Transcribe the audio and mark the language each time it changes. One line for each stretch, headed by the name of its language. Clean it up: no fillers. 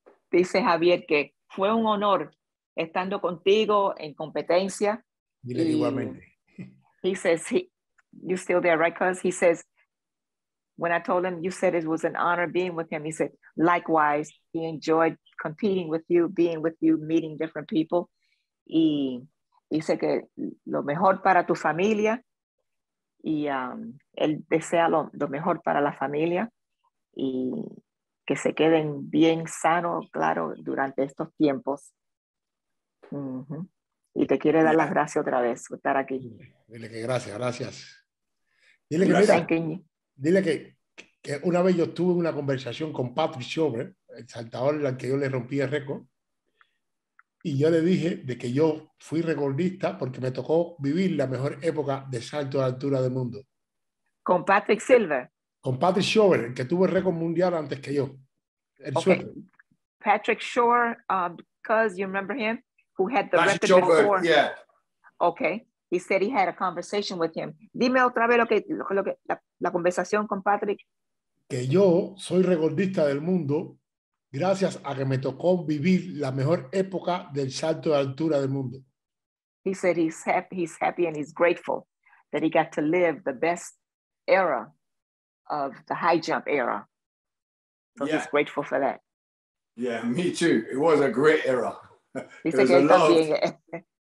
Spanish: Dice Javier que fue un honor estando contigo en competencia. Dile igualmente.
English: He says, you're still there, right? Because he says, when I told him, you said it was an honor being with him. He said, likewise, he enjoyed competing with you, being with you, meeting different people.
Spanish: Y dice que lo mejor para tu familia. Y él desea lo mejor para la familia. Y que se queden bien sano, claro, durante estos tiempos. Y te quiere dar las gracias otra vez por estar aquí. Dile que gracias. Dile que, mira, dile que una vez yo tuve una conversación con Patrick Schober, el saltador al que yo le rompí el récord, y yo le dije de que yo fui recordista porque me tocó vivir la mejor época de salto de altura del mundo. Con Patrick Silver. Con Patrick Schober, el que tuvo el récord mundial antes que yo. El sueco.
English: Patrick Schober, because you remember him, who had the Patrick record Schober, before. Yeah. Okay. He said he had a conversation with him.
Spanish: Dime otra vez la conversación con Patrick. Que yo soy recordista del mundo gracias a que me tocó vivir la mejor época del salto de altura del mundo.
English: He said he's happy and he's grateful that he got to live the best era of the high jump era. So he's grateful for that. Yeah, me too. It was a great era. He said he's happy. Yeah.